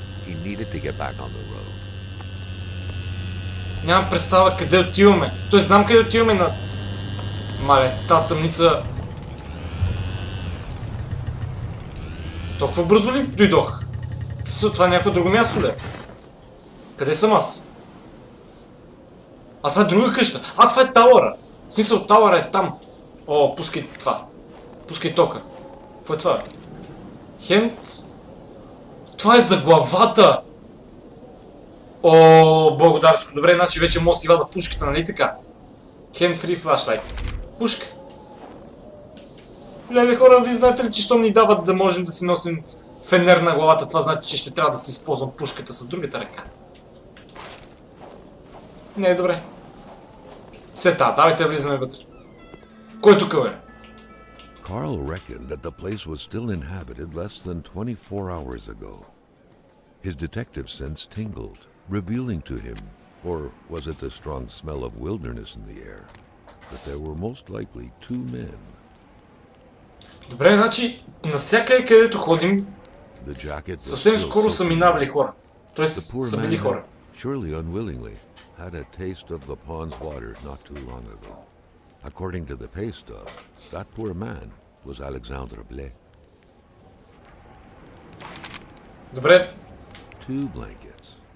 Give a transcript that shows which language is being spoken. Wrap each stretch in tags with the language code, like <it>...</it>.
<en>He needed to get back on the road.</en> <bg>Нямам представа къде отиваме. Той знам къде отиваме на... Мале, тази тъмница... Толкова бързо ли дойдох? Това е някакво друго място, бе? Къде съм аз? А това е друга къща. А това е тауъра. В смисъл, тауъра е там. О, пускай това. Пускай тока. Кво е това, бе? Хент? Това е за главата! О, благодарско. Добре, значи вече мога си вада пушката, нали така?</bg> <en>Хент фри флашлайт.</en> <bg>Пушка. Леле, хора, ви знаете ли, че що ни дават да можем да си носим фенер на главата? Това значи, че ще трябва да си използвам пушката с другата ръка. Не е добре. Сета, давайте влизаме вътре. Кой тук е?</bg> <en>Карл reckoned that the place was still inhabited less than 24 hours ago. His detective sense tingled, revealing to him, or was it the strong smell of wilderness in the air, that there were most likely two men.</en> <bg>Добре, значи, навсякъде където ходим, съвсем скоро са минавали хора. Тоест, са били хора.</bg> <en>Surely unwillingly had a taste of the pond's water not too long ago. According to the pay stub, that poor man was Alexandre Blais.</en> <bg>Добре.</bg> <en>Two blankets.</en>